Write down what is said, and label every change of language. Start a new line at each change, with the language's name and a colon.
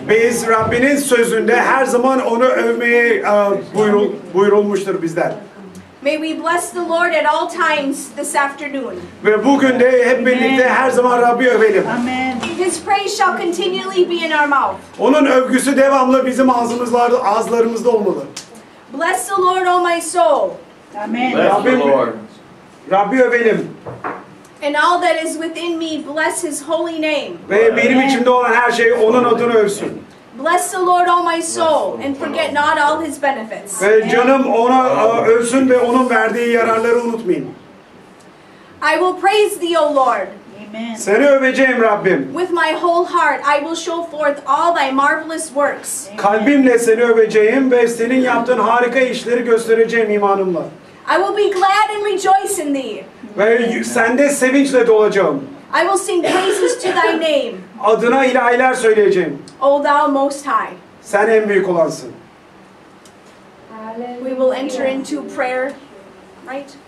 Turkish: Biz Rabbinin sözünde her zaman onu övmeye buyurulmuştur bizden.
English: May we bless the Lord at all times this afternoon.
Turkish: Ve bugün de hep birlikte her zaman Rabbi övelim.
English: Amen. His praise shall continually be in our mouth.
Turkish: Onun övgüsü devamlı bizim ağızlarımızda olmalı.
English: Bless the Lord, O my soul. Amen. Bless Rabbi, the Lord.
Turkish: Rabbi övelim.
English: And all that is within me, bless his holy name.
Turkish: Ve benim içimde olan her şey onun adını övsün.
English: Bless the Lord, O my soul, and forget not all his benefits.
Turkish: Ve canım ona övsün ve onun verdiği yararları unutmayın.
English: I will praise thee, O Lord. Amen.
Turkish: Seni öveceğim Rabbim.
English: With my whole heart, I will show forth all thy marvelous works. Amen.
Turkish: Kalbimle seni öveceğim ve senin yaptığın harika işleri göstereceğim imanımla.
English: I will be glad and rejoice in thee.
Turkish: Ve sende sevinçle dolacağım.
English: I will sing praises to thy name.
Turkish: Adına ilahiler söyleyeceğim.
English: O thou most high.
Turkish: Sen en büyük olansın.
English: We will enter into prayer, right?